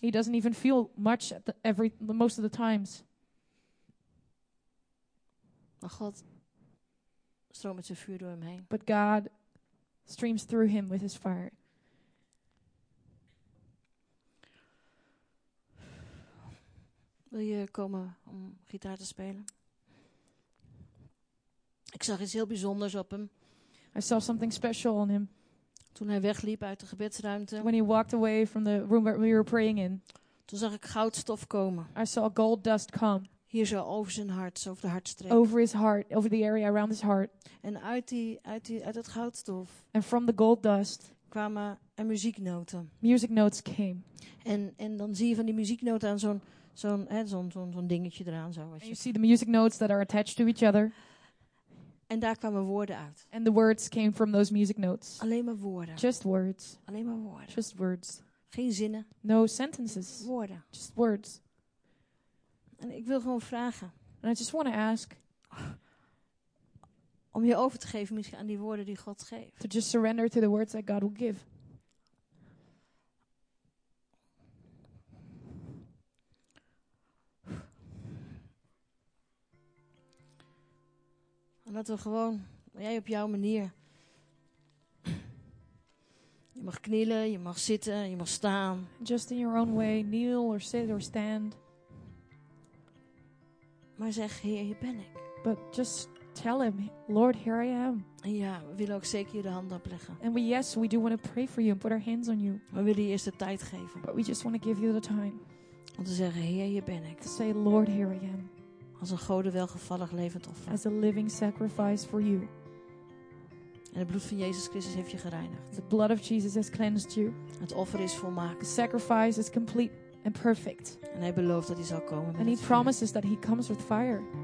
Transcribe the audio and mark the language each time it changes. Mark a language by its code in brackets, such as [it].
[en] He doesn't even feel much at the most of the times. [nl] Maar God stroomt met zijn vuur door hem heen. [en] But God streams through him with his fire. [nl] Wil je komen om gitaar te spelen? Ik zag iets heel bijzonders op hem. [en] I saw something special on him. [nl] Toen hij wegliep uit de gebedsruimte. [en] When he walked away from the room where we were praying in. [nl] Toen zag ik goudstof komen. [en] I saw gold dust come. [nl] Hier zo over zijn hart, zo over de hartstreek. [en] Over his heart, over the area around his heart. [nl] En uit het goudstof. [en] And from the gold dust. [nl] kwamen er muzieknoten. [en] Music notes came. [nl] En dan zie je van die muzieknoten aan zo'n dingetje eraan zo. [en] And you see the music notes that are attached to each other. [nl] En daar kwamen woorden uit. [en] And the words came from those music notes. [nl] Alleen maar woorden. [en] Just words. [nl] Alleen maar woorden. [en] Just words. [nl] Geen zinnen. [en] No sentences. [nl] Woorden. [en] Just words. [nl] En ik wil gewoon vragen. [en] And I just want to ask. [nl] Om je over te geven misschien aan die woorden die God geeft. [en] To just surrender to the words that God will give. [nl] En laten we gewoon, jij op jouw manier. Je mag knielen, je mag zitten, je mag staan. [en] Just in your own way, kneel or sit or stand. [nl] Maar zeg, Heer, hier ben ik. [en] But just tell him, Lord, here I am. [nl] En ja, we willen ook zeker je de handen opleggen. [en] And we do want to pray for you and put our hands on you. [nl] We willen je eerst de tijd geven. [en] But we just want to give you the time. [nl] Om te zeggen, Heer, hier ben ik. [en] To say, Lord, here I am. [nl] Als een goden welgevallig levend offer. [en] As a living sacrifice for you. [nl] En het bloed van Jezus Christus heeft je gereinigd. [en] The blood of Jesus has cleansed you. [nl] Het offer is volmaakt. [en] The sacrifice is complete and perfect. [nl] En hij belooft dat hij zal komen. [en] And he promises that he comes with fire.